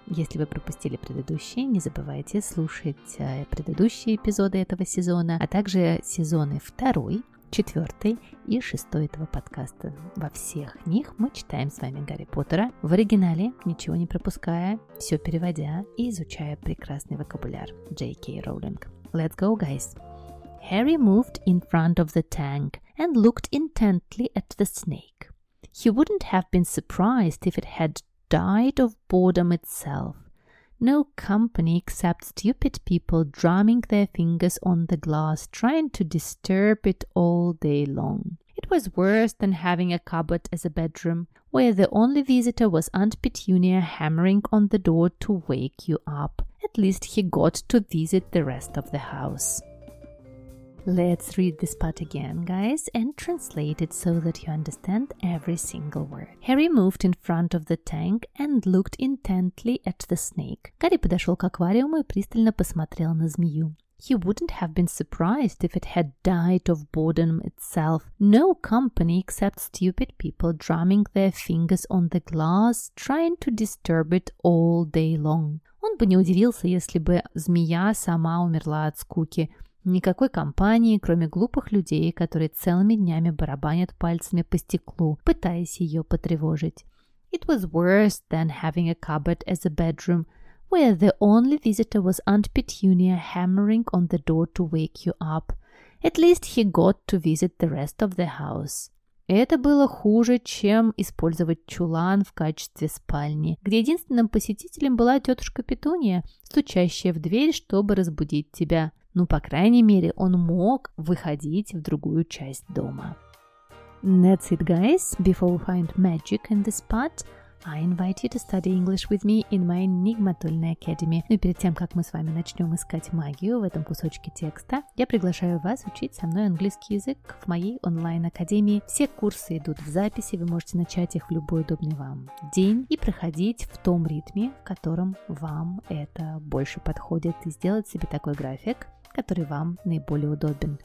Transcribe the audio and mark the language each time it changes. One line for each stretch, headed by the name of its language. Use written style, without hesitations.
Russian: Если вы пропустили предыдущие, не забывайте слушать предыдущие эпизоды этого сезона, а также сезоны второй, четвертый и шестой этого подкаста. Во всех них мы читаем с вами Гарри Поттера в оригинале, ничего не пропуская, все переводя и изучая прекрасный вокабуляр Джей Кей Роулинг.
English: Let's go, guys! Harry moved in front of the tank and looked intently at the snake. He wouldn't have been surprised if it had died of boredom itself. No company except stupid people drumming their fingers on the glass, trying to disturb it all day long. It was worse than having a cupboard as a bedroom, where the only visitor was Aunt Petunia hammering on the door to wake you up. At least he got to visit the rest of the house. Let's read this part again, guys, and translate it so that you understand every single word. Harry moved in front of the tank and looked intently at the snake.
Russian: Гарри подошел к аквариуму и пристально посмотрел на змею.
English: He wouldn't have been surprised if it had died of boredom itself. No company except stupid people drumming their fingers on the glass, trying to disturb it all day long.
Russian: Он бы не удивился, если бы змея сама умерла от скуки. Никакой компании, кроме глупых людей, которые целыми днями барабанят пальцами по стеклу, пытаясь ее потревожить.
English: It was worse than having a cupboard as a bedroom, where the only visitor was Aunt Petunia hammering on the door to wake you up. At least he got to visit the rest of the house.
Russian: Это было хуже, чем использовать чулан в качестве спальни, где единственным посетителем была тетушка Петуния, стучащая в дверь, чтобы разбудить тебя. Ну, по крайней мере, он мог выходить в другую часть дома.
English: That's it, guys. Before we find magic in this part, I invite you to study English with me in my Enigma Tulne Academy.
Russian: Ну и перед тем, как мы с вами начнем искать магию в этом кусочке текста, я приглашаю вас учить со мной английский язык в моей онлайн-академии. Все курсы идут в записи, вы можете начать их в любой удобный вам день и проходить в том ритме, в котором вам это больше подходит, и сделать себе такой график, который вам наиболее удобен.